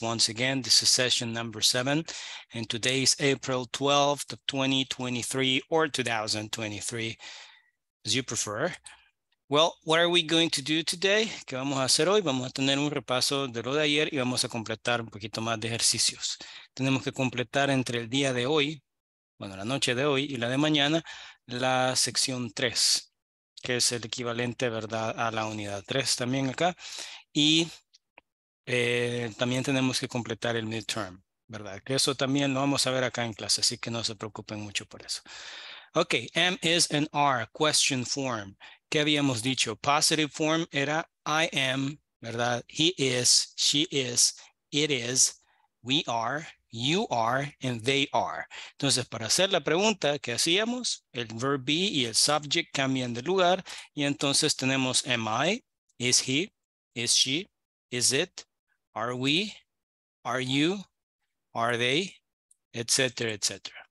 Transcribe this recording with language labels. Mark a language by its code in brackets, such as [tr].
[en] Once again, this is session number 7, and today is April 12th of 2023, or 2023, as you prefer. Well, what are we going to do today? [es] ¿Qué vamos a hacer hoy? Vamos a tener un repaso de lo de ayer y vamos a completar un poquito más de ejercicios. Tenemos que completar entre el día de hoy, bueno, la noche de hoy y la de mañana, la sección 3. Que es el equivalente, ¿verdad?, a la unidad 3 también acá. Y también tenemos que completar el midterm, ¿verdad? Que eso también lo vamos a ver acá en clase, así que no se preocupen mucho por eso. [en] Ok, am, is, and are, question form. [es] ¿Qué habíamos dicho? [en] Positive form era I am, ¿verdad? He is, she is, we are, you are, and they are. [es] Entonces, para hacer la pregunta, ¿qué hacíamos? El verb be y el subject cambian de lugar. Y entonces tenemos [en] am I, is he, is she, is it, are we, are you, are they, etc., etc.